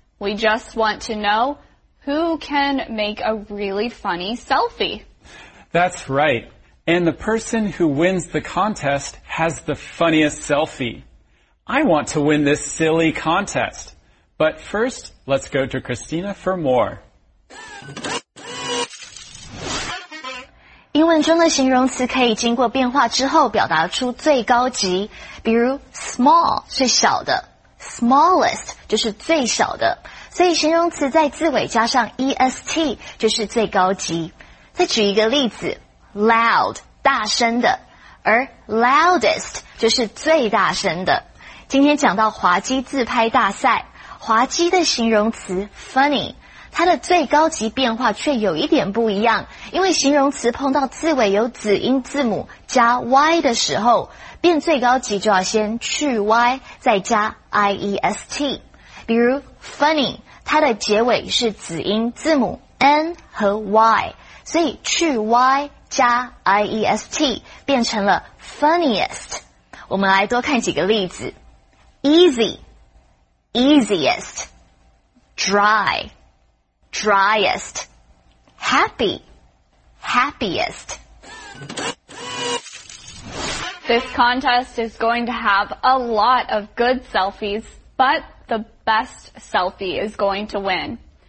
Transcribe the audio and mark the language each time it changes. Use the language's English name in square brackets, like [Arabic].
[English] We just want to know who can make a really funny selfie. That's right. And the person who wins the contest has the funniest selfie. I want to win this silly contest. But first, let's go to Christina for more. [Chinese] 英文中的形容词可以经过变化之后表达出最高级，比如 small 是小的， smallest 就是最小的，所以形容词在字尾加上 est 就是最高级。再举一个例子， loud 大声的，而 loudest 就是最大声的。今天讲到滑稽自拍大赛，滑稽的形容词 funny， 它的最高级变化却有一点不一样，因为形容词碰到字尾有子音字母加 y 的时候，变最高级就要先去 y 再加 iest。比如 funny， 它的结尾是子音字母 n 和 y， 所以去 y 加 iest 变成了 funniest。我们来多看几个例子， easyEasiest, dry, driest, happy, happiest. [English] This contest is going to have a lot of good selfies, but the best selfie is going to win.